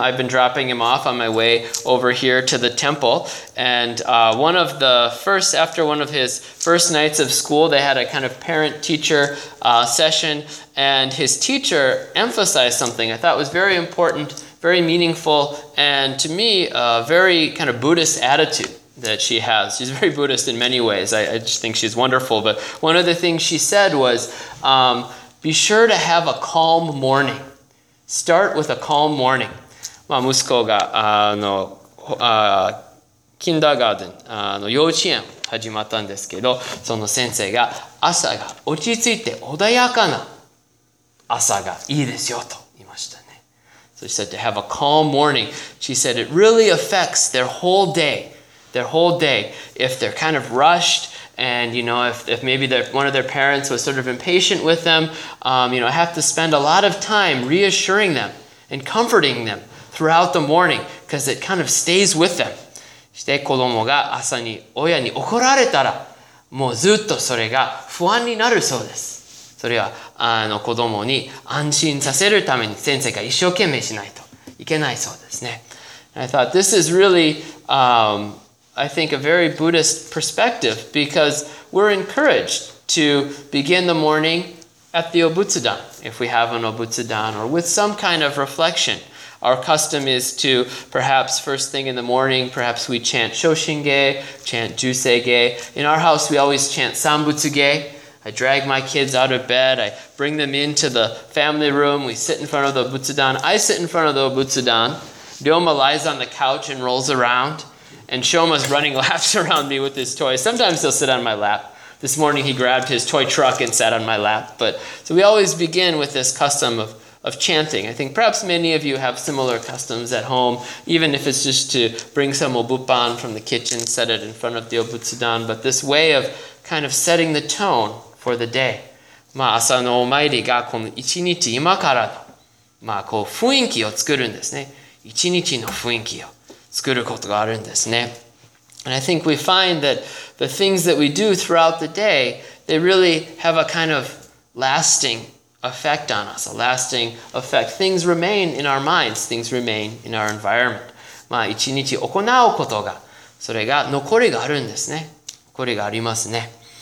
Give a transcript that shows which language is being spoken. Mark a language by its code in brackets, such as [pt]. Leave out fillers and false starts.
[en] I've been dropping him off on my way over here to the temple, and after one of his first nights of school, they had a kind of parent-teacher session, and his teacher emphasized something I thought was very important, very meaningful, and to me, a very kind of Buddhist attitude that she has. She's very Buddhist in many ways. I just think she's wonderful. But one of the things she said was, be sure to have a calm morning. Start with a calm morning. [ja] まあ、息子が、キンダーガーデン、幼稚園始まったんですけど、その先生が、朝が落ち着いて穏やかな朝がいいですよと言いましたね。 [en] So she said to have a calm morning. She said it really affects their whole day. Their whole day, if they're kind of rushed, and you know, if maybe one of their parents was sort of impatient with them, you know, I have to spend a lot of time reassuring them and comforting them throughout the morning because it kind of stays with them. [ja] して子供が朝に親に怒られたら、もうずっとそれが不安になるそうです。それは子供に安心させるために先生が一生懸命しないといけないそうですね。 [en] And I thought this is really I think a very Buddhist perspective because we're encouraged to begin the morning at the obutsudan if we have an obutsudan or with some kind of reflection. Our custom is to perhaps first thing in the morning, perhaps we chant Shoshinge, chant Juseige. In our house, we always chant Sambutsuge. I drag my kids out of bed. I bring them into the family room. We sit in front of the obutsudan. I sit in front of the obutsudan. Ryoma lies on the couch and rolls around. And Shoma's running laps around me with his toy. Sometimes he'll sit on my lap. This morning he grabbed his toy truck and sat on my lap. But so we always begin with this custom of chanting. I think perhaps many of you have similar customs at home, even if it's just to bring some obupan from the kitchen, set it in front of the obutsudan. But this way of kind of setting the tone for the day. [ja] まあ朝のお参りがこの一日今からのまあこう雰囲気を作るんですね。一日の雰囲気を。作ることがあるんですね。 [en] And I think we find that the things that we do throughout the day, they really have a kind of lasting effect on us, a lasting effect. Things remain in our minds, things remain in our environment. [ja] まあ、一日行うことが、それが残りがあるんですね。これがありますね。